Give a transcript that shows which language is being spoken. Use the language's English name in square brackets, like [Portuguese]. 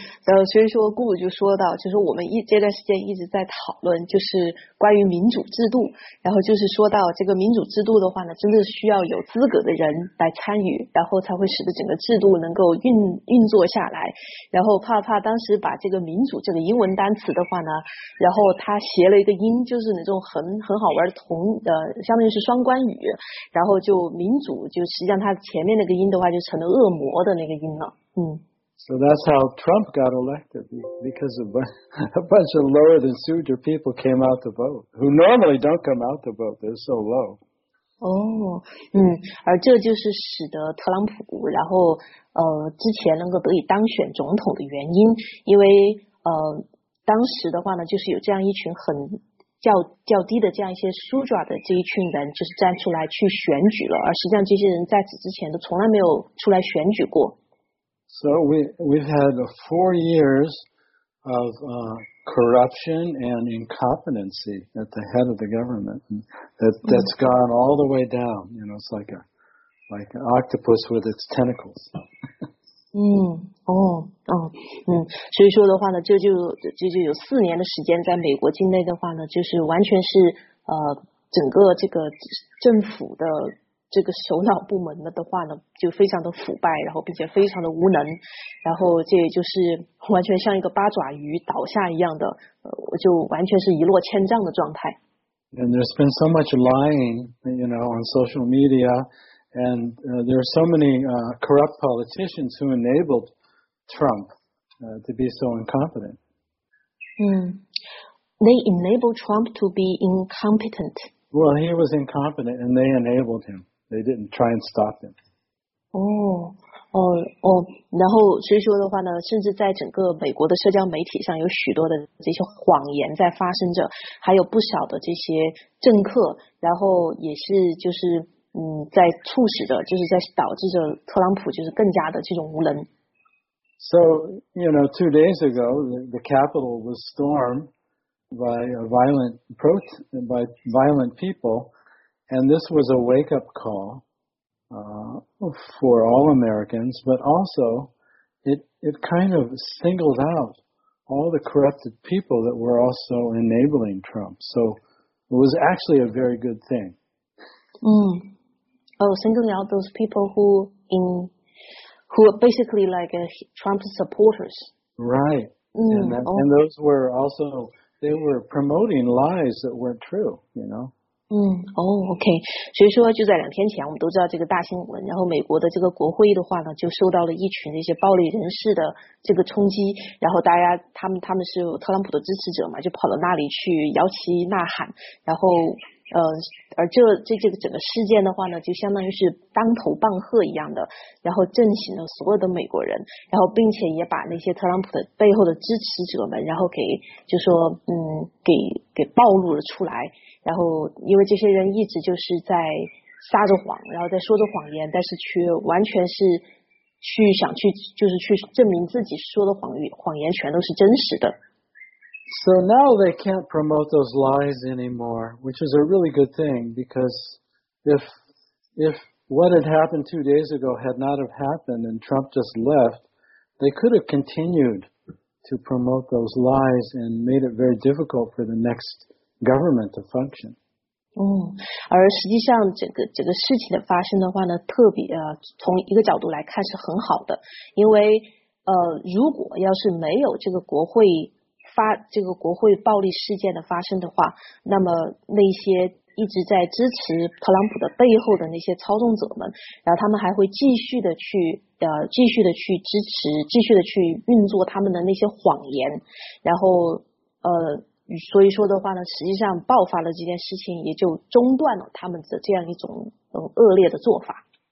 [Chinese] 所以说顾鲁就说到，就是我们这段时间一直在讨论，就是关于民主制度，然后就是说到这个民主制度的话呢，真的需要有资格的人来参与，然后才会使得整个制度能够运作下来。然后怕当时把这个民主这个英文单词的话呢，然后他谐了一个音，就是那种很好玩的同相当于是双关语，然后就民主就实际上它前面那个音的话就成了恶魔的那个音了。 [English] So that's how Trump got elected, because of a bunch of lower than suitor people came out to vote, who normally don't come out to vote, they're so low. [Chinese] 而这就是使得特朗普然后之前能够得以当选总统的原因，因为当时的话呢就是有这样一群很较低的这样一些苏爪的这一群人就是站出来去选举了，而实际上这些人在此之前都从来没有出来选举过。 [English] So we've had 4 years of corruption and incompetency at the head of the government. That's gone all the way down. You know, it's like an octopus with its tentacles. [Chinese] 所以说的话呢，这就有4年的时间，在美国境内的话呢，就是完全是整个这个政府的这个首脑部门的话呢，就非常的腐败，然后并且非常的无能，然后这也就是完全像一个八爪鱼倒下一样的，就完全是一落千丈的状态。 [English] And there's been so much lying, you know, on social media, and there are so many corrupt politicians who enabledTrump to be so incompetent. They enabled Trump to be incompetent. Well, he was incompetent, and they enabled him. They didn't try and stop him. [Chinese] 然后所以说的话呢，甚至在整个美国的社交媒体上，有许多的这些谎言在发生着，还有不少的这些政客，然后也是就是在促使着，就是在导致着特朗普就是更加的这种无能。 [English] So, you know, 2 days ago, the Capitol was stormed by a violent by violent people, and this was a wake-up call for all Americans, but also it kind of singled out all the corrupted people that were also enabling Trump. So it was actually a very good thing. Oh, singling out those people who are basically like Trump supporters. Right. And those were also, they were promoting lies that weren't true, you know. [Chinese] 所以说就在两天前我们都知道这个大新闻，然后美国的这个国会的话呢就受到了一群那些暴力人士的这个冲击，然后大家他们是特朗普的支持者嘛，就跑到那里去摇旗呐喊，然后而这个整个事件的话呢就相当于是当头棒喝一样的，然后震醒了所有的美国人，然后并且也把那些特朗普的背后的支持者们然后给就说给暴露了出来，然后因为这些人一直就是在撒着谎然后在说着谎言，但是却完全是去想去就是去证明自己说的谎言全都是真实的。 [English] So now they can't promote those lies anymore, which is a really good thing, because if what had happened 2 days ago had not have happened and Trump just left, they could have continued to promote those lies and made it very difficult for the next government to function. [Chinese] 而实际上这个事情的发生的话呢，特别从一个角度来看是很好的，因为如果要是没有这个国会发这个国会暴力事件的发生的话，那么那些一直在支持特朗普的背后的那些操纵者们，然后他们还会继续的去支持，继续的去运作他们的那些谎言，然后所以说的话呢，实际上爆发了这件事情，也就中断了他们的这样一种恶劣的做法。